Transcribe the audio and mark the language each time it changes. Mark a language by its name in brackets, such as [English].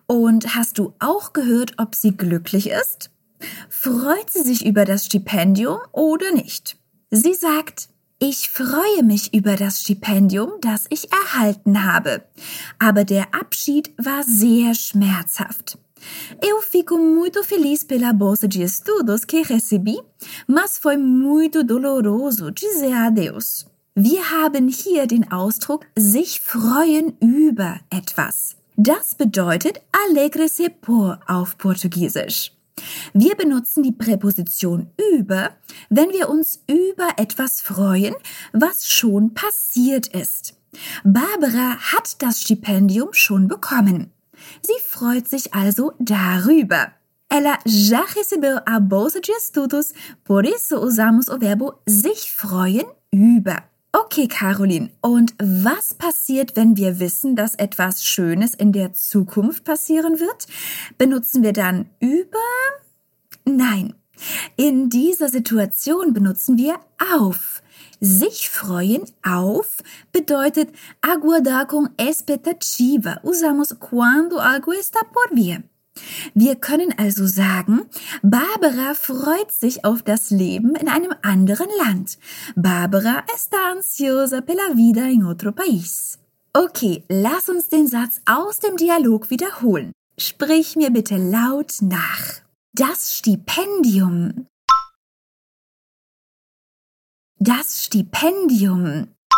[German] Und hast du auch gehört, ob sie glücklich ist? Freut sie sich über das Stipendium oder nicht? Sie sagt, ich freue mich über das Stipendium, das ich erhalten habe. Aber der Abschied war sehr schmerzhaft. [Portuguese] Eu fico muito feliz pela bolsa de estudos que recebi, mas foi muito doloroso dizer adeus. [German] Wir haben hier den Ausdruck, sich freuen über etwas. Das bedeutet [Portuguese] alegre-se por [German] auf Portugiesisch. Wir benutzen die Präposition über, wenn wir uns über etwas freuen, was schon passiert ist. Barbara hat das Stipendium schon bekommen. Sie freut sich also darüber. [Portuguese] Ela já recebeu a bolsa de estudos, por isso usamos o verbo [German] sich freuen über. Okay, Caroline, und was passiert, wenn wir wissen, dass etwas Schönes in der Zukunft passieren wird? Benutzen wir dann über? Nein, in dieser Situation benutzen wir auf. Sich freuen auf bedeutet [Portuguese] aguardar com expectativa. Usamos quando algo está por vir. [German] Wir können also sagen, Barbara freut sich auf das Leben in einem anderen Land. [Portuguese] Barbara está ansiosa pela vida em outro país. [German] Okay, lass uns den Satz aus dem Dialog wiederholen. Sprich mir bitte laut nach. Das Stipendium. Das Stipendium.